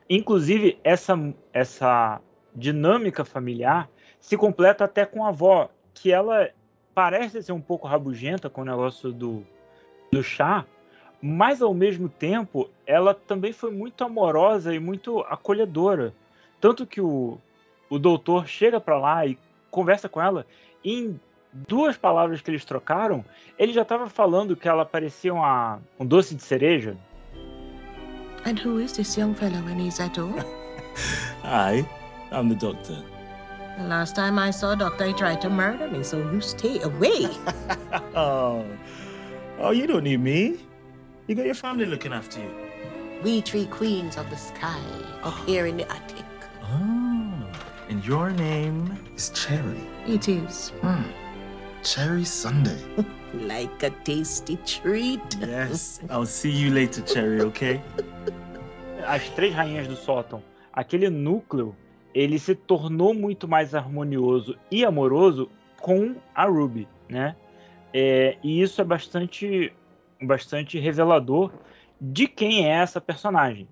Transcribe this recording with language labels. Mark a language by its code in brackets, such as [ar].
[pt] Inclusive, essa dinâmica familiar se completa até com a avó, que ela parece ser um pouco rabugenta com o negócio do chá, mas, ao mesmo tempo, ela também foi muito amorosa e muito acolhedora. Tanto que o doutor chega pra lá e conversa com ela, e em duas palavras que eles trocaram, ele já tava falando que ela parecia um doce de cereja. [en] And who is this young fellow when he's at all? I am the doctor. The last time I saw a doctor, he tried to murder me, so you stay away. Oh, you don't need me. You got your family looking after you. We three queens of the sky, up here in the attic. Oh, and your name is Cherry. It is. Mm. Cherry Sunday. Like a tasty treat. Yes, I'll see you later, Cherry, okay? [pt] As Três Rainhas do Sótão, aquele núcleo, ele se tornou muito mais harmonioso e amoroso com a Ruby, né? E isso é bastante, bastante revelador de quem é essa personagem.